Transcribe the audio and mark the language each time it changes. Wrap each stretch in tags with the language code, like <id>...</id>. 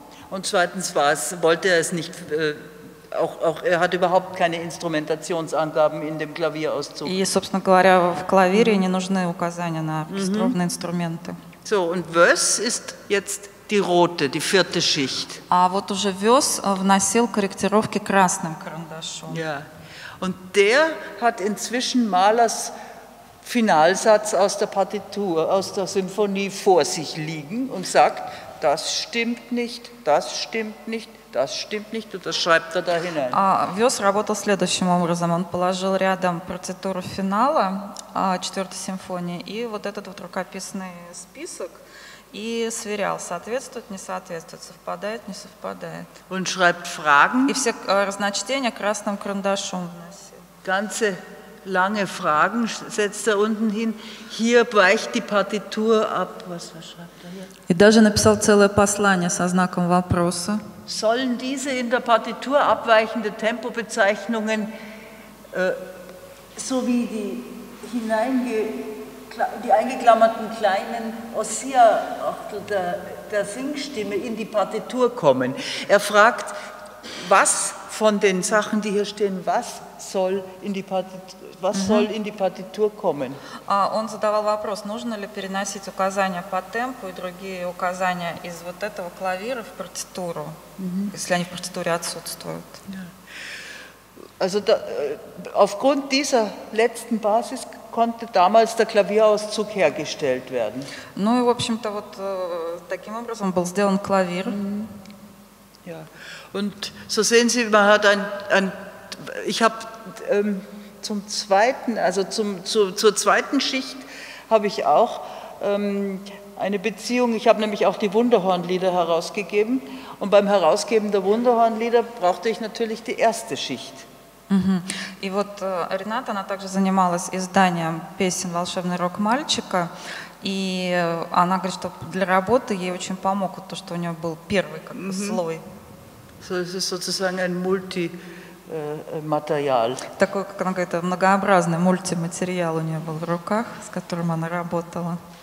<de>Und zweitens wollte er es nicht, auch er hat überhaupt keine Instrumentationsangaben in dem Klavierauszug.</de> <ru>И, собственно говоря, в клавире не нужны указания на оркестровные инструменты.</ru> <de>So, und Wöss ist jetzt die rote, die vierte Schicht.</de> <ru>А вот уже Wöss вносил корректировки красным карандашом.</ru> <de>Ja, und der hat inzwischen Mahlers Finalsatz aus der Partitur, aus der Symphonie vor sich liegen und sagt, das stimmt nicht, das stimmt nicht, das stimmt nicht, und das schreibt er da hinein.</de> <ru>Wöss работал следующим образом. Он положил рядом партитуру финала четвертой симфонии и вот этот вот рукописный список и сверял, соответствует, не соответствует, совпадает, не совпадает.</ru> <de>Und schreibt Fragen.</de> <ru>И все разночтения красным карандашом вносил.</ru> <de>Ganze lange Fragen setzt er unten hin. Hier weicht die Partitur ab. Was schreibt er hier?</de> <ru>И даже написал целое послание со знаком вопроса.</ru> <de>Sollen diese in der Partitur abweichende Tempobezeichnungen so wie die eingeklammerten kleinen Ossia-Achtel der Singstimme in die Partitur kommen? Er fragt, was von den Sachen, die hier stehen, was soll in die Partitur kommen?</de> <ru>Он задавал вопрос, нужно ли переносить указания по темпу и другие указания из вот этого клавира в партитуру, если они в партитуре отсутствуют.</ru> <de>Also aufgrund dieser letzten Basis konnte damals der Klavierauszug hergestellt werden.</de> <ru>Ну и в общем-то вот таким образом был сделан клавир.</ru> <de>Ja. Und so sehen Sie, man hat zur zweiten Schicht habe ich auch eine Beziehung. Ich habe nämlich auch die Wunderhornlieder herausgegeben. Und beim Herausgeben der Wunderhornlieder brauchte ich natürlich die erste Schicht. Mm-hmm.</de> <ru>И вот Рената, она также занималась изданием песен «Волшебный рок мальчика». И она говорит, что для работы ей очень помог то, что у нее был первый слой.</ru> <de>So, es ist sozusagen ein Multimaterial.</de> <ru>Такой, как она говорит, многообразный мультиматериал у нее был в руках, с которым она работала.</ru>